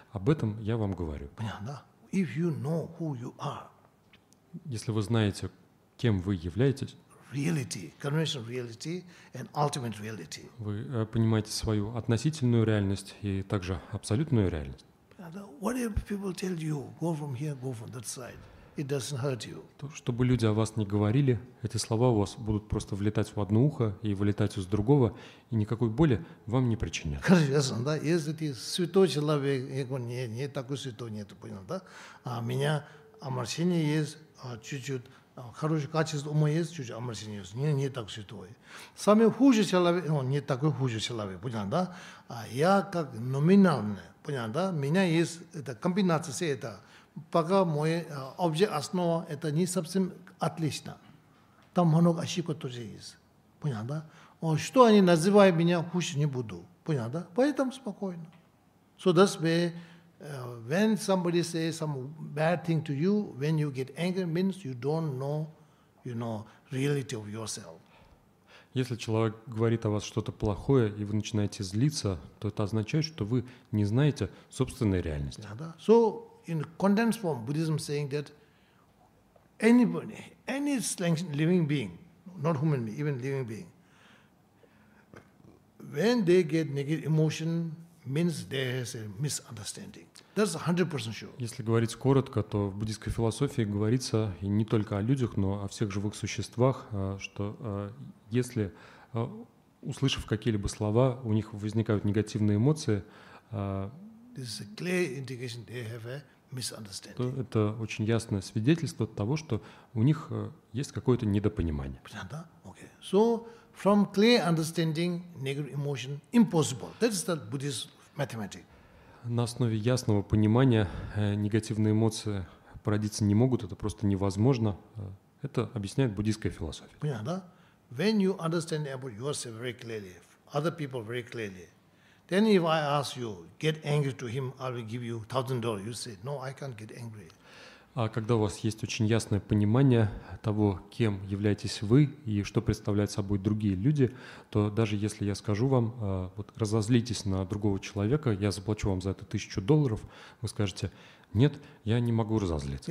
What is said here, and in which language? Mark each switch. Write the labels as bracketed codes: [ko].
[ru] Об этом я вам говорю. [en] Понятно? If you know who you are. [ru] Если вы знаете, кем вы являетесь, [en] reality, conventional reality and ultimate reality. [ru] Вы понимаете свою относительную реальность и также абсолютную реальность. [en] What if people tell you, go from here, go from that side? It doesn't hurt you. [ru] То, чтобы люди о вас не говорили, эти слова у вас будут просто влетать в одно ухо и вылетать из другого, и никакой боли вам не причинят. Конечно, да. Если ты святой человек, я говорю, нет, нет, такой святой нет, понял, да? А у меня омрачение есть, чуть-чуть, хорошее качество ума есть, чуть-чуть омрачение есть. Нет, не так святой. Самый худший человек, он не такой худший человек, понял, да? А я как номинальный. Понятно, да? У меня есть эта комбинация, все это. Пока мой объект, основа, это не совсем отлично. Там много ошибок тоже есть. Понятно, да? Что они называют меня, хуже не буду. Понятно, да? Поэтому спокойно. [en] So that's why, when somebody says some bad thing to you, when you get angry, means you don't know, you know, reality of yourself. [ru] Если человек говорит о вас что-то плохое, и вы начинаете злиться, то это означает, что вы не знаете собственной реальности. Yeah, да. [en] So, in condensed form, Buddhism saying that anybody, any living being, not human being, even living being, when they get negative emotion, means there is a misunderstanding. That's 100% sure. [ru] Если говорить коротко, то в буддийской философии говорится и не только о людях, но о всех живых существах, что если, услышав какие-либо слова, у них возникают негативные эмоции, [en] this is a clear indication they have a misunderstanding. [ru] То это очень ясное свидетельство того, что у них есть какое-то недопонимание. [en] Понятно? Okay. So, from clear understanding, negative emotion impossible. That's the Buddhist mathematics. [ru] На основе ясного понимания негативные эмоции породиться не могут, это просто невозможно. Это объясняет буддийская философия. Понятно? [en] When you understand about yourself very clearly, other people very clearly, then if I ask you, get angry to him, I will give you $1,000. You say, no, I can't get angry. [ru] А когда у вас есть очень ясное понимание того, кем являетесь вы и что представляют собой другие люди, то даже если я скажу вам, вот разозлитесь на другого человека, я заплачу вам за это $1,000, вы скажете, нет, я не могу разозлиться.